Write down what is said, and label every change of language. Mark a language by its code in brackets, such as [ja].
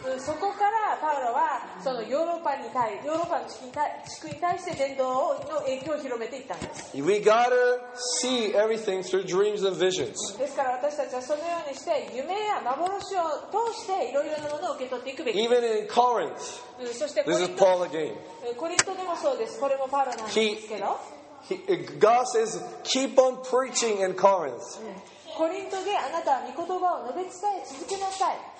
[ja] そこからパウロはそのヨーロッパに対ヨーロッパの地区に対して伝道の影響を広めていったんです。 [en] We gotta see everything through dreams and visions. [ja] ですから私たちはそのようにして夢や幻を通していろいろなものを受け取っていくべきです。 [en] Even in Corinth, this is Paul again. [ja] コリントでもそうです。これもパウロなんですけど。 [en] God says, keep on preaching in Corinth. [ja] コリントであなたは御言葉を述べ伝え続けなさい。